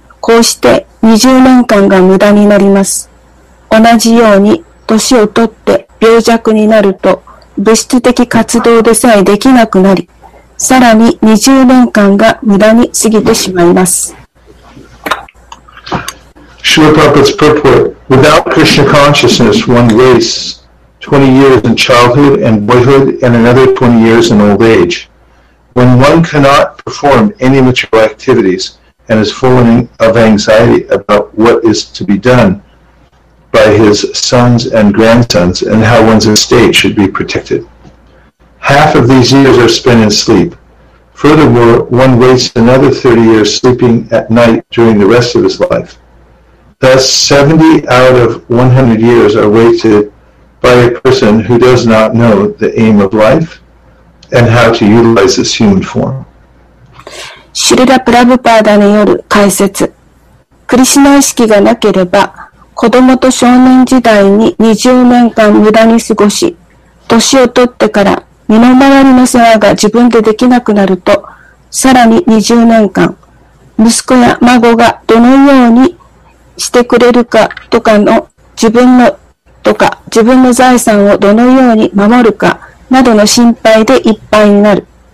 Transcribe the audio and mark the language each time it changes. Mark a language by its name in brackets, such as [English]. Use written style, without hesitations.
[Japanese] こうして20年間が無駄になります。同じように年をとって病弱になると物質的活動でさえできなくなり、さらに20年間が無駄に過ぎてしまいます。 [English] Srila Prabhupada's purport. Without Krishna consciousness, one wastes 20 years in childhood and boyhood and another 20 years in old age. When one cannot perform any material activities and is full of anxiety about what is to be done by his sons and grandsons and how one's estate should be protected. Half of these years are spent in sleep. Furthermore, one wastes another 30 years sleeping at night during the rest of his life. Thus, 70 out of 100 years are wasted by a person who does not know the aim of life and how to utilize this human form. [Japanese] シルラ・プラブパーダによる解説。クリシナ意識がなければ、子供と少年時代に20年間無駄に過ごし、年を取ってから身の回りの世話が自分でできなくなると、さらに20年間、息子や孫がどのようにしてくれるかとかの自分の財産をどのように守るかなどの心配でいっぱいになる。